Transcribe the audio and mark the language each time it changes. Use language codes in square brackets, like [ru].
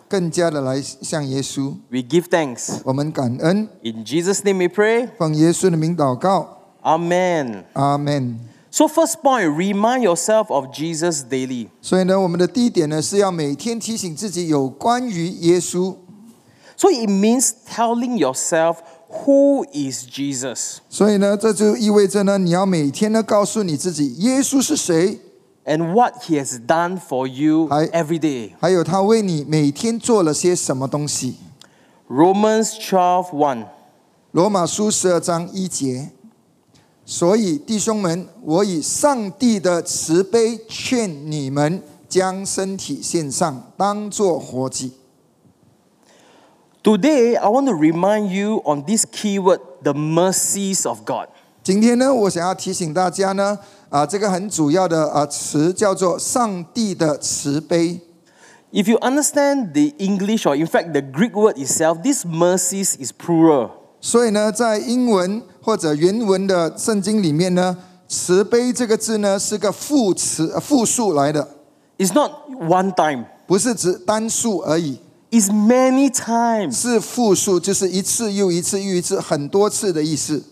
[zh] 更加的来像耶稣。 [en] We give thanks. [zh] 我们感恩。 [en] In Jesus' name we pray. [zh] 奉耶稣的名祷告。 [en] Amen. Amen. So first point, remind yourself of Jesus daily. [zh] 所以呢，我们的第一点呢，是要每天提醒自己有关于耶稣。 [en] So it means telling yourself who is Jesus. [zh] 所以呢，这就意味着呢，你要每天呢告诉你自己耶稣是谁。 [en] And what he has done for you every day. [zh] 还有他为你每天做了些什么东西。 [en] Romans 12:1. [zh] 罗马书十二章一节。所以弟兄们，我以上帝的慈悲劝你们将身体献上，当作活祭。 [en] Today I want to remind you on this keyword, the mercies of God. [zh] 今天呢，我想要提醒大家呢，这个很主要的词叫做上帝的慈悲。 [en] If you understand the English or in fact the Greek word itself, this mercies is plural. [zh] 所以呢，在英文或者原文的圣经里面呢，慈悲这个字呢是个副词复数来的。 [en] It's not one time， [zh] 不是指单数而已。 [en] It's many times， [zh] 是复数，就是一次又一次又一次，很多次的意思。